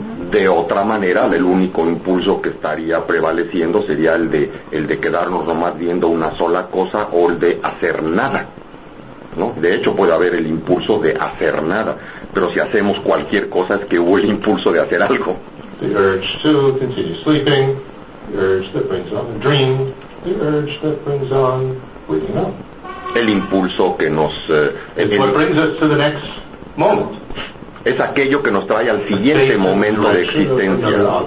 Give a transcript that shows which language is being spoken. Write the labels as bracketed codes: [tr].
[es] De otra manera, el único impulso que estaría prevaleciendo sería el de quedarnos nomás viendo una sola cosa o el de hacer nada, ¿no? De hecho, puede haber el impulso de hacer nada, pero si hacemos cualquier cosa es que hubo el impulso de hacer algo. [en] The urge to continue sleeping, the urge that brings on a dream, the urge that brings on waking up. [es] El impulso que nos... [en] what brings us to the next moment. [es] Es aquello que nos trae al siguiente momento de existencia.